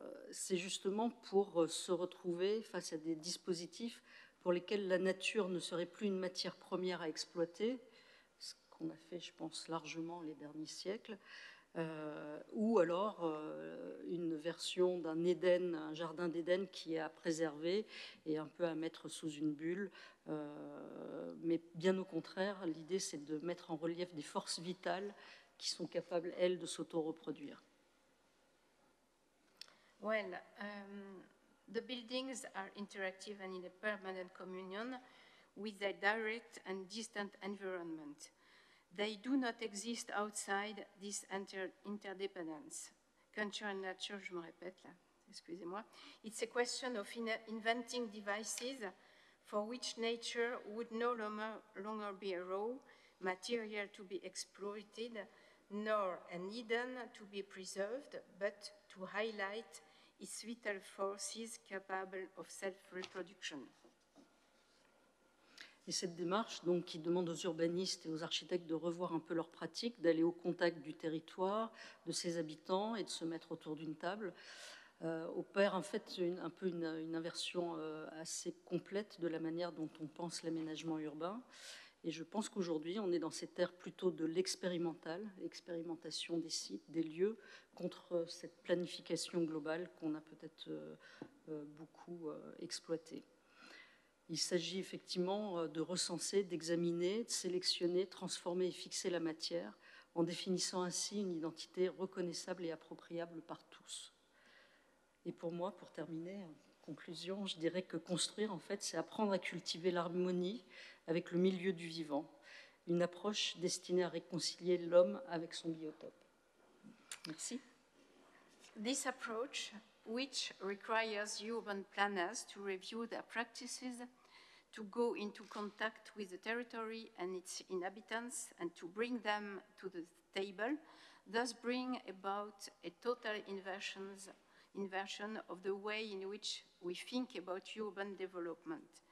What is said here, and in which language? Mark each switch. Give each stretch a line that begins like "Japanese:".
French: C'est justement pour se retrouver face à des dispositifs pour lesquels la nature ne serait plus une matière première à exploiter, ce qu'on a fait, je pense, largement les derniers siècles, ou alors une version d'un Éden, un jardin d'Éden qui est à préserver et un peu à mettre sous une bulle. Mais bien au contraire, l'idée, c'est de mettre en relief des forces vitales qui sont capables, elles, de s'auto-reproduire.
English: Well, the buildings are interactive and in a permanent communion with their direct and distant environment. They do not exist outside this interdependence. Culture and nature,
French: je me répète là, excusez-moi.
English: It's a question of inventing devices for which nature would no longer be a raw material to be exploited, nor an Eden to be preserved, but to highlight its vital forces capable of self-reproduction.
French: Et cette démarche, donc, qui demande aux urbanistes et aux architectes de revoir un peu leurs pratiques, d'aller au contact du territoire, de ses habitants et de se mettre autour d'une table, opère en fait une inversion assez complète de la manière dont on pense l'aménagement urbain. Et je pense qu'aujourd'hui, on est dans cette ère plutôt de l'expérimental, l'expérimentation des sites, des lieux, contre cette planification globale qu'on a peut-être beaucoup exploitée. Il s'agit effectivement de recenser, d'examiner, de sélectionner, transformer et fixer la matière, en définissant ainsi une identité reconnaissable et appropriable par tous. Et pour moi, pour terminer, en conclusion, je dirais que construire, en fait, c'est apprendre à cultiver l'harmonie avec le milieu du vivant, une approche destinée à réconcilier l'homme avec son biotope. Merci.
English: This approach, which requires urban planners to review their practices, to go into contact with the territory and its inhabitants and to bring them to the table, thus bring about a total inversion of the way in which we think about urban development.